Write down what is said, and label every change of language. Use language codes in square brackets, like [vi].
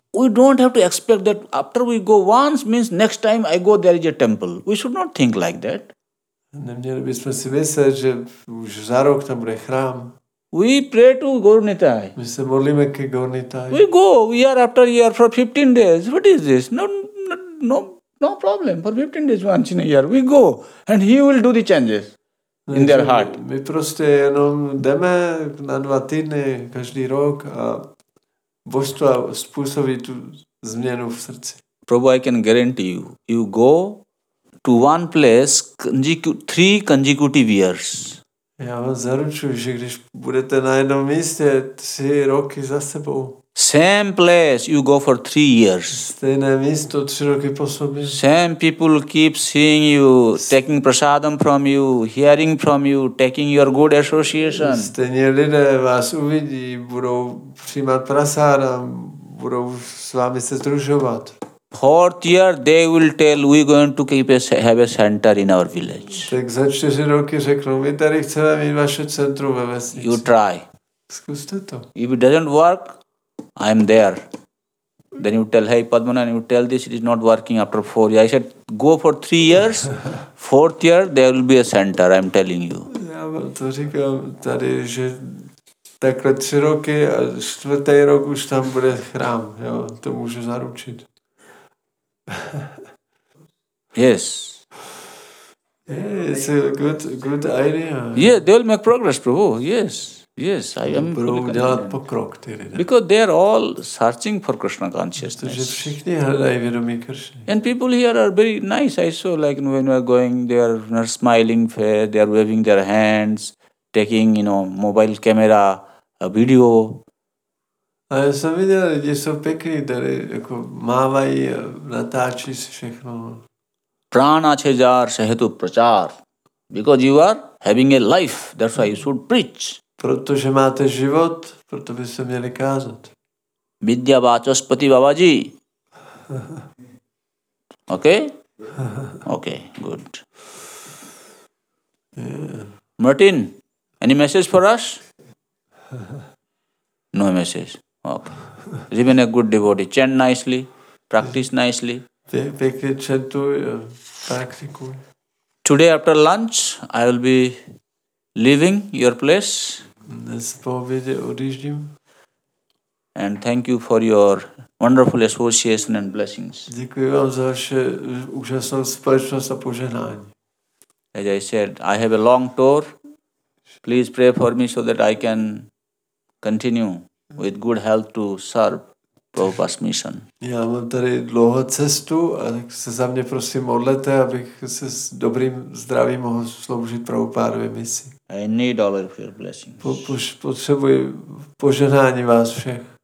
[en] We don't have to expect that after we go once means next time I go there is a temple. We should not think like that. [cs] Neměli bychom si myslet, že už za rok tam bude chrám. [en] We pray to Gaur Nitai. [cs] My se modlíme ke Gaur Nitai. [en] We go year after year for 15 days. What is this? No problem. For 15 days once in a year we go and he will do the changes. In their heart. [cs] My prostě jenom jdeme na 2 týdny každý rok a božstva způsobí tu změnu v srdci. [en] Prabhu, I can guarantee you, you go to one place 3 consecutive years. [cs] Já vám zaručuji, že když budete na jednom místě 3 roky za sebou. [en] Same place you go for 3 years. [cs] Stejné místo 3 roky po sobě. [en] Same people keep seeing you, taking prasadam from you, hearing from you, taking your good association. [cs] Stejné lidé vás uvidí, budou přijímat prasadam, budou s vámi se združovat. [en] Fourth year they will tell we going to keep have a center in our village. [cs] Tak za 4 roky řeknou, my tady chceme mít vaše centrum ve vesnici. [en] You try. [cs] Zkuste to. [en] If it doesn't work, I am there. Then you tell, hey Padmana, and you tell this, it is not working after 4 years. I said, go for 3 years, fourth year, there will be a center, I am telling you. [cs] Já vám to říkám tady, že takhle 3 roky a 4. rok už tam bude chrám, jo, to můžu zaručit. [en] Yes. Yeah, it's a good idea. Yeah, they will make progress, Prabhu, yes. Yes, I am [cs] dělat pokrok, tedy. [en] Because they are all searching for Krishna consciousness. [cs] Takže všichni hledají vědomí Krishna. [en] And people here are very nice. I saw like when we are going, they are smiling face, they are waving their hands, taking, you know, mobile camera, a video. [cs] A já jsem viděl, lidi jsou pěkný, tady jako mávají, natáčí si všechno. [bn] Prana chajar sahetu prachar. [en] Because you are having a life, that's why you should preach. [cs] Protože máte život, proto by se měli kázat. [en] Vidya Vachaspati Babaji. Okay? Okay, good. Yeah. Martin, any message for us? No message. Okay. Remain a good devotee. Chant nicely. Practice nicely. [cs] Pekne chantuj, praktikuj. [en] Today after lunch, I will be leaving your place. [cs] Dnes po obědě odjíždím. [en] And thank you for your wonderful association and blessings. [cs] Děkuji vám za vaše úžasnou společnost a požehnání. [en] As I said, I have a long tour. Please pray for me so that I can continue with good health to serve Prabhupada's mission. [cs] Já mám tady dlouhou cestu a tak se za mě prosím modlete, abych se s dobrým zdravím mohl sloužit Prabhupádově misi. [en] I need all of your blessings. [cs] Potřebuji požehnání vás všech.